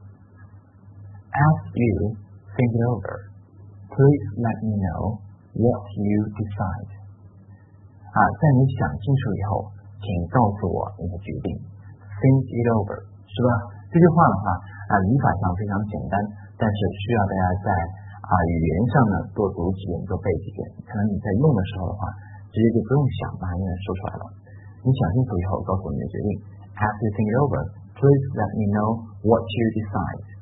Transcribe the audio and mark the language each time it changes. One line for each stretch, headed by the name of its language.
English: As you think it over, please let me know what you decide.
Chinese: 啊，在你想清楚以后，请告诉我你的决定。
English: Think it over,
Chinese: 是吧？这句话的话，啊，语法上非常简单，但是需要大家在啊语言上呢多读几遍、多背几遍，可能你在用的时候的话，直接就不用想，把英文说出来了。你想清楚以后，告诉我你的决定。
English: As you think it over, please let me know what you decide.